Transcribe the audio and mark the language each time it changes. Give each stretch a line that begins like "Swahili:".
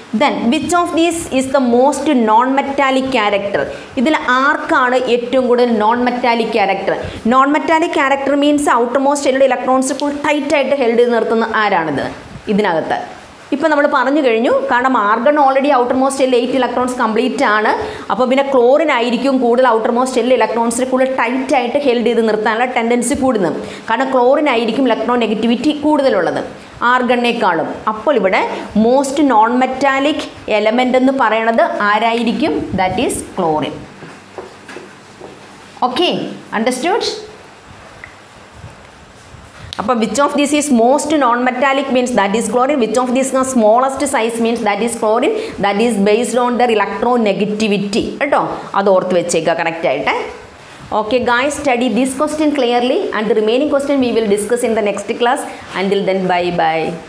English: Then, which of these is the most non-metallic character?
Malayalam: ഇതിൽ ആർക്കാണ് ഏറ്റവും കൂടുതൽ non-metallic character?
English: Non-metallic character means
Malayalam: outer മോസ്റ്റിലുള്ള electrons full ടൈറ്റായിട്ട് held ചെയ്ത് നിർത്തുന്ന ആരാണിത് ഇതിനകത്ത്? ഇപ്പം നമ്മൾ പറഞ്ഞു കഴിഞ്ഞു, കാരണം argon already outer മോസ്റ്റിലുള്ള 8 electrons complete ആണ്. അപ്പോൾ പിന്നെ ക്ലോറിനായിരിക്കും കൂടുതൽ ഔട്ടർ മോസ്റ്റിലുള്ള ഇലക്ട്രോൺസ് ഫുൾ ടൈറ്റായിട്ട് ഹെൽഡ് ചെയ്ത് നിർത്താനുള്ള ടെൻഡൻസി കൂടുന്നത്. കാരണം ക്ലോറിനായിരിക്കും ഇലക്ട്രോൺ നെഗറ്റിവിറ്റി കൂടുതലുള്ളത് ആർഗണിനേക്കാളും. അപ്പോൾ ഇവിടെ മോസ്റ്റ് നോൺ മെറ്റാലിക് എലമെൻ്റ് എന്ന് പറയുന്നത് ആരായിരിക്കും?
English: That is chlorine. Okay, understood? അപ്പോൾ which of these is most non metallic means that is chlorine. Which of these smallest size means that is chlorine. That is based on their electronegativity.
Malayalam: കേട്ടോ, അത് ഓർത്ത് വെച്ചേക്കുക കറക്റ്റായിട്ട്.
English: Okay guys, study this question clearly and the remaining question we will discuss in the next class. Until then, bye bye.